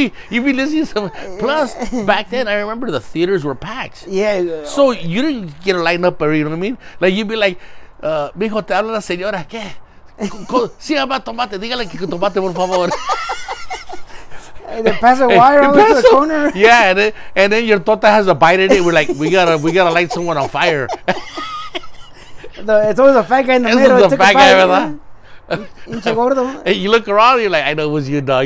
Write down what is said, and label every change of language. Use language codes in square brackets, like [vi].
[en] You'd be listening to some. Plus, back then, I remember the theaters were packed. Yeah. So you didn't get a line up, you know what I mean? Like, you'd be like, [es] mijo, te habla la señora, ¿qué? Sí, ma, tomate. Dígale que tomate, por favor. [en] And they pass a wire over to the corner. Yeah, and then your tota has a bite in it. We're like, we gotta light someone on fire. It's always a fat guy in the middle. It's the fat guy, ¿verdad? And you look around, you're like, I know it was you, dog.